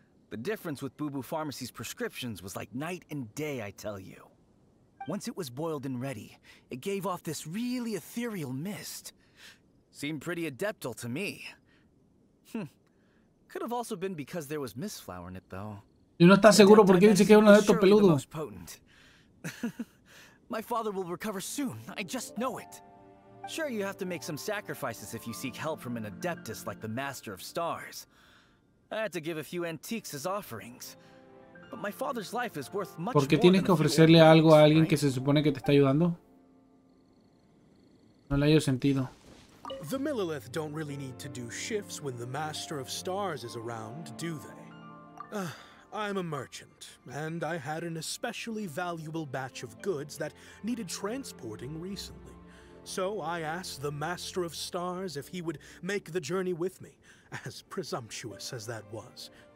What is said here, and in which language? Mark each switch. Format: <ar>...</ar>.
<en>The difference with Boo Boo Pharmacy's prescriptions was like night and day, I tell you. Once it was boiled and ready, it gave off this really ethereal mist. Seemed pretty adeptal to me. Could have also been because there was mist flower in it, though.</en> <es>Yo no está seguro por qué dice que es uno de estos peludos.</es> <en>My father will recover soon. I just know it. Sure, you have to make some sacrifices if you seek help from an adeptus like the Master of Stars. I had to give a few antiques as offerings.</en> <es>¿Por qué tienes que ofrecerle algo a alguien que se supone que te está ayudando? No le hallo sentido.</es> <en>The Millilith don't really need to do shifts when the Master of Stars is around, do they? I'm a merchant, and I had an especially valuable batch of goods that needed transporting recently. So I asked the Master of Stars if he would make the journey with me, as presumptuous as that was.</en>